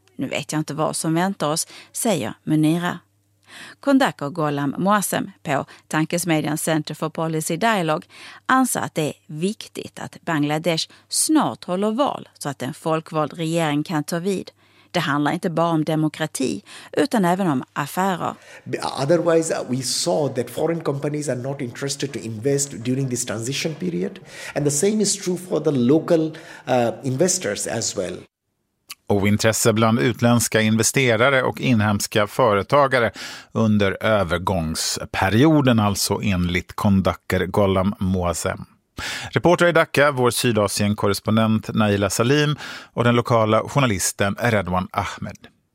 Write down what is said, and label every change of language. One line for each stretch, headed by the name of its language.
Swedish: Nu vet jag inte vad som väntar oss, säger Munira. Kondako Golam Moasem på Tankesmedjan Center for Policy Dialogue anser att det är viktigt att Bangladesh snart håller val så att en folkvald regering kan ta vid. Det handlar inte bara om demokrati utan även om affärer.
English: Otherwise we saw that foreign companies are not interested to invest during this transition period and the same is true for the local investors as well.
Swedish: Ointresse bland utländska investerare och inhemska företagare under övergångsperioden, alltså enligt Kondakar Golam Moasem. Reporter i Dhaka, vår Sydasien-korrespondent Naila Salim och den lokala journalisten Redwan Ahmed.